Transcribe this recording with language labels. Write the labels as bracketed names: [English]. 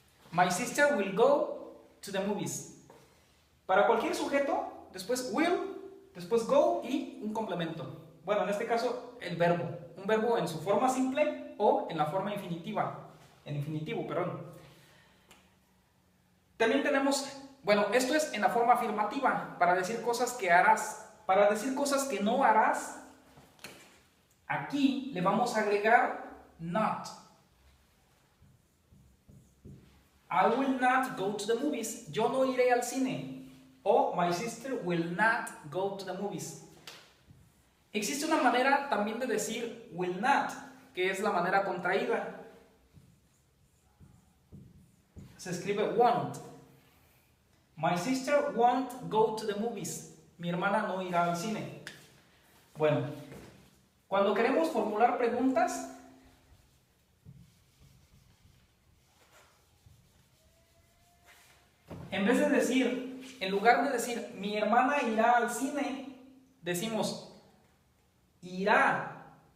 [English] My sister will go to the movies. [Spanish] Para cualquier sujeto, después will, después go y un complemento. Bueno, en este caso, el verbo. Un verbo en su forma simple o en la forma infinitiva. En infinitivo, perdón. También tenemos, bueno, esto es en la forma afirmativa, para decir cosas que harás. Para decir cosas que no harás, aquí le vamos a agregar not. [English] I will not go to the movies. [Spanish] Yo no iré al cine. [English] O my sister will not go to the movies. [Spanish] Existe una manera también de decir will not, que es la manera contraída. Se escribe won't. [English] My sister won't go to the movies. [Spanish] Mi hermana no irá al cine. Bueno, cuando queremos formular preguntas, en vez de decir, en lugar de decir, mi hermana irá al cine, decimos, irá.